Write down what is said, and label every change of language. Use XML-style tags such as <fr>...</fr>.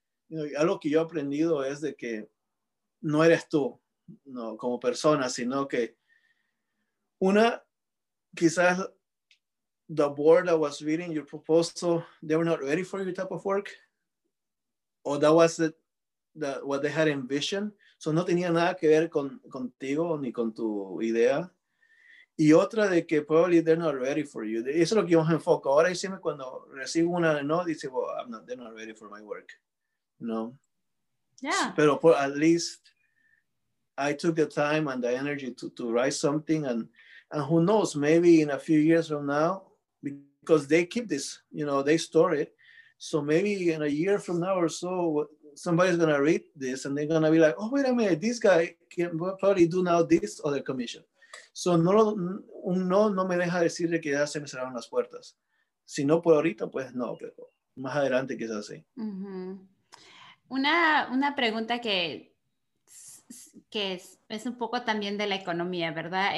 <en>You know,</en> <es>algo que yo he aprendido es de que no eres tú, no, como persona, sino que una, quizás</es> <en>the board that was reading your proposal, they were not ready for your type of work, or that was what they had envisioned.</en> <es>So no tenía nada que ver contigo ni con tu idea. Y otra de que</es> <en>probably they're not ready for you.</en> <es>Eso es lo que yo me enfoco. Ahora siempre cuando recibo una no, dice,</es> <en>well, they're not ready for my work.</en> <es>No.</es> <en>Yeah.</en> <es>Pero</es> <en>at least I took the time and the energy to write something. And who knows, maybe in a few years from now, because they keep this, you know, they store it. So maybe in a year from now or so, somebody's going to read this and they're going to be like, oh, wait a minute, this guy can probably do now this other commission.</en> <es>So no me deja decirle que ya se me cerraron las puertas. Si no por ahorita, pues no, pero más adelante quizás sí. Uh-huh. Una pregunta que es un poco también de la economía, ¿verdad?</es>